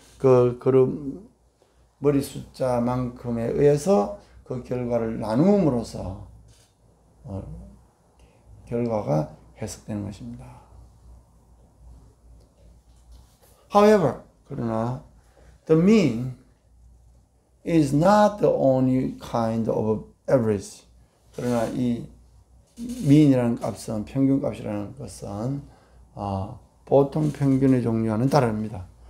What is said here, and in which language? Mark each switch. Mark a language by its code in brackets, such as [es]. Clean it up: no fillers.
[ko] 그 그룹 머리 숫자만큼에 의해서 그 결과를 나눔으로써 결과가 해석되는 것입니다. [en] However, 그러나 the mean is not the only kind of average. [ko] 그러나 이 mean이라는 값은 평균값이라는 것은 보통 평균의 종류와는 다릅니다.